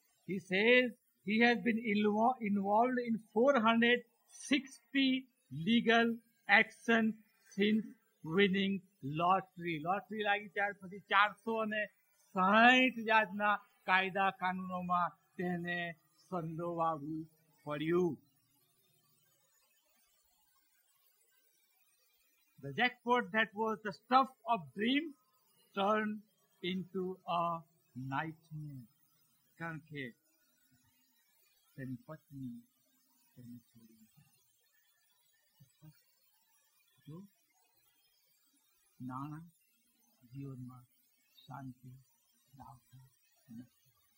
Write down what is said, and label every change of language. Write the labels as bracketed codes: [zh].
[en] He says he has been involved in 460 legal action since winning lottery. [gu] Lottery લાગી ત્યાર પછી 460 જાતના કાયદા કાનૂનોમાં તેને સંડોવાવું પડ્યું. [en] The jackpot that was the stuff of dreams turned into a nightmare. [gu] કારણ કે તેની પત્ની તેને છોડી જો નાણા જીવનમાં શાંતિ લાવતા નથી.